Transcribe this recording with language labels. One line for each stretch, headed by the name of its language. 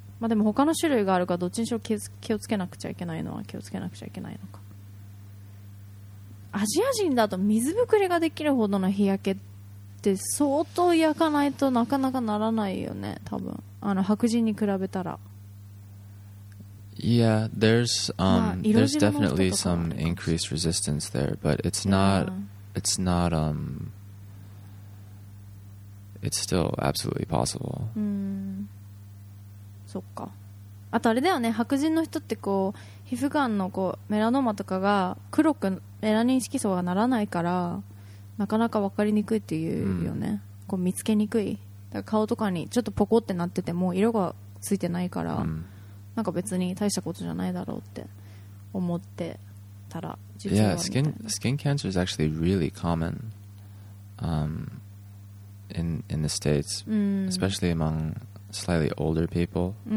Japanese: まあでも他の種類があるか、どっちにしろ気をつけなくちゃいけないのは気をつけなくちゃいけないのか。アジア人だと水ぶくれができるほどの日焼けって相当焼かないとなかなかならないよね、多分あの白人に比べたら。
English: Yeah, there's definitely some increased resistance there, but it's not, yeah. It's not, it's still absolutely possible.
Japanese: そっか。あとあれだよね、白人の人ってこう皮膚がんのこうメラノーマとかが黒くメラニン色素がならないから、なかなか分かりにくいっていうよね。 Mm. こう見つけにくい。だから顔とかにちょっとポコってなってても色がついてないから。 Mm. なんか別に大したことじゃないだろうって思ってたら、実は
English: Yeah, skin cancer is actually really common in the States, especially among slightly older people.